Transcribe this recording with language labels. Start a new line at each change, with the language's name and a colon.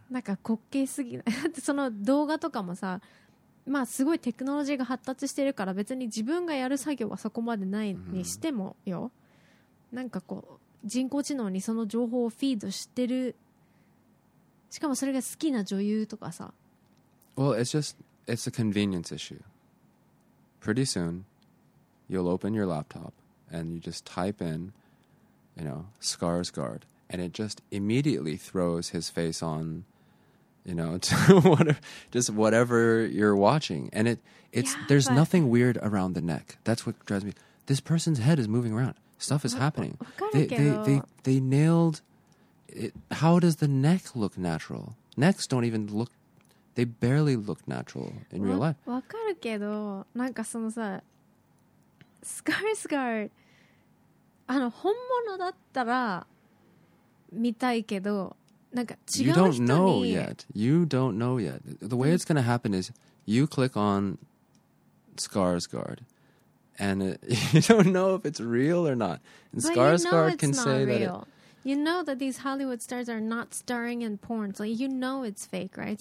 Japanese: なんか滑稽すぎない。だってその動画とかもさ、まあすごいテクノロジーが発達してるから別に自分がやる作業はそこまでないにしてもよ、なんかこう人工知能にその情報をフィードしてる、しかもそれが好きな女優とかさ、
English: Well, it's a convenience issue. Pretty soon, you'll open your laptop and you just type in, you know, Skarsgård, and it just immediately throws his face on, you know, to whatever you're watching. And there's nothing weird around the neck. That's what drives me. This person's head is moving around. Stuff is happening. They nailed it. How does the neck look natural? Necks don't even look, they barely look natural in real life.
Japanese: わかるけど、なんかそのさ、スカルスガード、あの本物だったら見たいけど、なんか違う人に。
English: You don't know yet. You don't know yet. The way it's going to happen is you click on Skarsgård. And you don't know if it's real or not. And Skarsgård can say that. But you know it's not real. You know that these Hollywood stars are not starring in porn. So you know it's fake, right?